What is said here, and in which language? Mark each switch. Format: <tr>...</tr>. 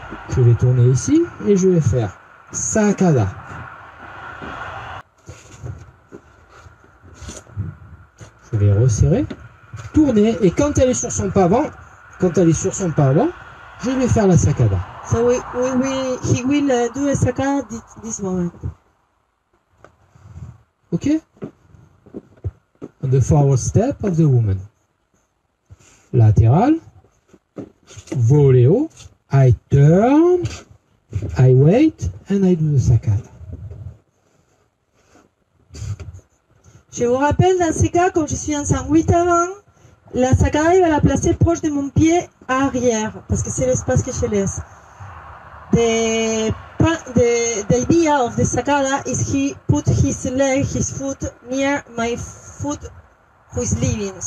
<fr>Je vais tourner ici et je vais faire sacada. Je vais resserrer, tourner et quand elle est sur son pas avant, je vais faire la sacada.</fr> <en>So he will do a sacada this moment. Okay. On the forward step of the woman. Latéral. Voléo. I turn. I wait. And I do the saccade.</en> <fr>Je vous rappelle, dans ces cas, comme je suis en sandwich avant, la saccade, il va la placer proche de mon pied arrière. Parce que c'est l'espace que je laisse.</fr> <en>The idea of the sacada is he put his leg, his foot near my foot who is leaving.</en>